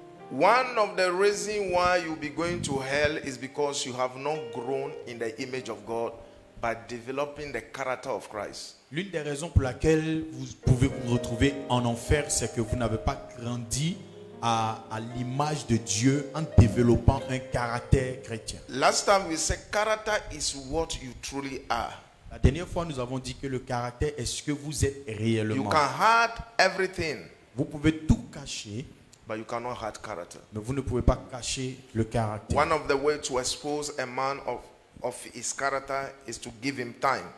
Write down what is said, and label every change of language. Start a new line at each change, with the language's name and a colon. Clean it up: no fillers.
English: One of the reasons why you'll be going to hell is because you have not grown in the image of God by developing the character of Christ.
French: L'une des raisons pour laquelle vous pouvez vous retrouver en enfer, c'est que vous n'avez pas grandi à l'image de Dieu en développant un caractère chrétien.
English: Last time we said character is what you truly are.
French: La dernière fois, nous avons dit que le caractère est ce que vous êtes réellement.
English: You can hide everything.
French: Vous pouvez tout cacher.
English: But you cannot hide character.
French: Mais vous ne pouvez pas cacher le caractère.
English: One of the ways to expose a man of his character is to give him time.